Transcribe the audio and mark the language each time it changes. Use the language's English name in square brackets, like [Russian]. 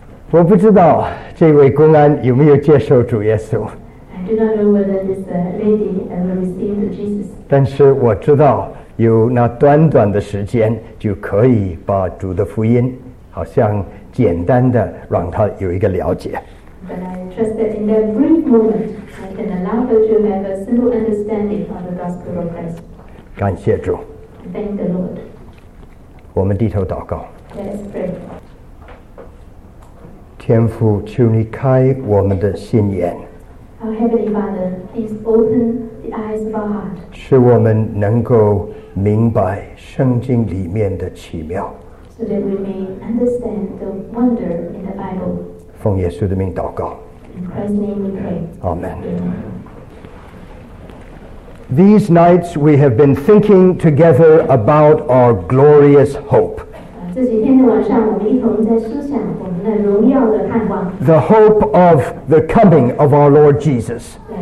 [Chinese] 我不知道这位公安有没有接受主耶稣。 [English] I do not know whether this lady ever received Jesus. [Chinese] 但是我知道有那短短的时间就可以把主的福音，好像简单的让他有一个了解。 [English] But I trust that in that brief moment, I can allow her to have a simple understanding of the gospel of Christ. [Chinese] 感谢主。 [English] Thank the Lord. [Chinese] 我们低头祷告。 [English] Let's pray. [Chinese] 天父，求你开我们的心眼。 [English] Our Heavenly Father, please open the eyes of our heart. [Chinese] 使我们能够明白圣经里面的奇妙。 [English] So that we may understand the wonder in the Bible. [Chinese] 奉耶稣的名祷告。 [English] In Christ's name we pray. Amen. These nights we have been thinking together about our glorious hope. The hope of the coming of our Lord Jesus.